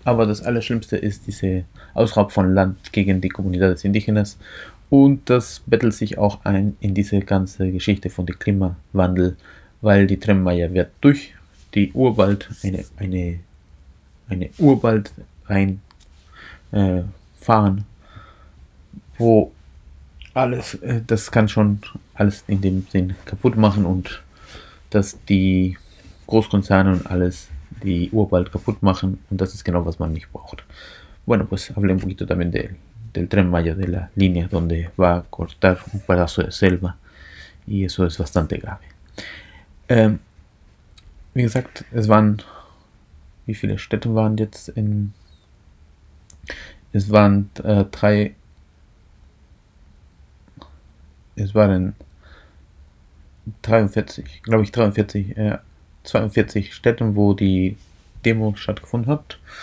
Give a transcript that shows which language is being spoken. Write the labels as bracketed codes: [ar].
[de] Aber das Allerschlimmste ist diese Ausraub von Land gegen die [es] Comunidad des Indígenas, [de] und das bettelt sich auch ein in diese ganze Geschichte von dem Klimawandel, weil die Tren Maya wird durch die Urwald eine Urwald rein fahren, wo alles, das kann schon alles in dem Sinn kaputt machen, und dass die Großkonzerne und alles die Urwald kaputt machen, und das ist genau, was man nicht braucht. [es] Bueno, pues hablé un poquito también del Tren Maya, de la línea donde va a cortar un pedazo de selva, y eso es bastante grave. [de] Wie gesagt, es waren, wie viele Städte waren jetzt in, es waren drei, es waren 43, glaube ich 42 Städten, wo die Demo stattgefunden hat.